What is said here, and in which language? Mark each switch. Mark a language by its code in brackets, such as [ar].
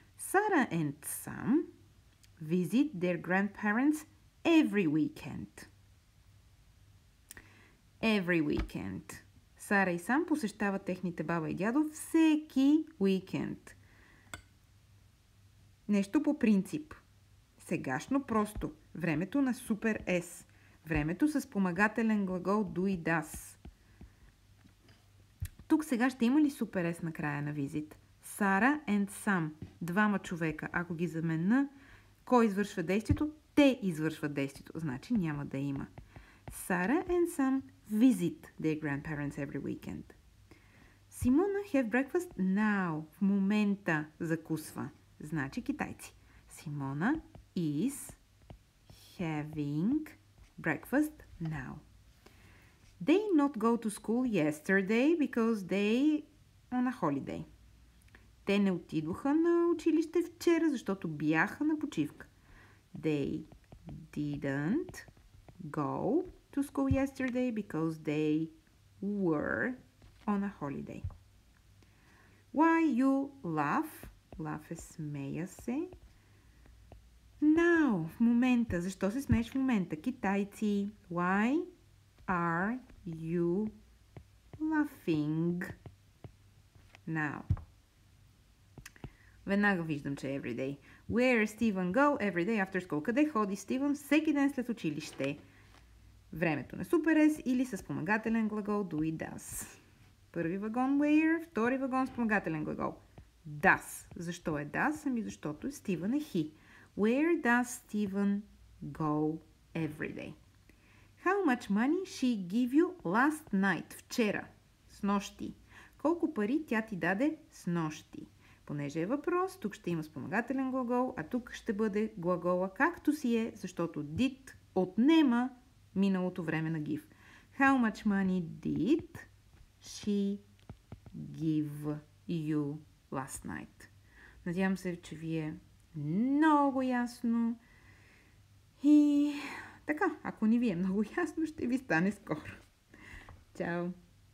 [en] Sara and Sam visit their grandparents every weekend. Every weekend. [bg] Сара и Сам посещават техните баба и дядо всеки уикенд. Нещо по принцип. Сегашно просто. Времето на супер S. Времето с спомагателен глагол do и does. Тук сега ще има ли супер S на края на визит? Сара and Сам. Двама човека. Ако ги замена, кой извършва действието? Те извършват действието. Значи няма да има. [en] Сара and Сам visit their grandparents every weekend. [bg] Simona have breakfast now. В момента закусва. Значи китайци. [en] Simona is having breakfast now. They not go to school yesterday because they on a holiday. [bg] Те не отидоха на училище вчера, защото бяха на почивка. [en] They didn't go to school yesterday because they were on a holiday. Why you laugh? Laugh е смея се. [bg] Now, в момента. Защо се смееш в момента? Китайци. [en] Why are you laughing now? [bg] Веднага виждам, че everyday. [en] Where Steven go everyday after school? [bg] Къде ходи Steven всеки ден след училище? Времето на супер S или с спомагателен глагол do и does. Първи вагон where, втори вагон спомагателен глагол does. Защо е does? Ами защото Steven е he. Where does Steven go every day? [en] How much money she give you last night? [bg] Вчера. С нощи. Колко пари тя ти даде с нощи? Понеже е въпрос, тук ще има спомагателен глагол, а тук ще бъде глагола както си е, защото did отнема миналото време на give. [en] How much money did she give you last night? [bg] Надявам се, че ви е много ясно. И така, ако не ви е много ясно, ще ви стане скоро. Чао!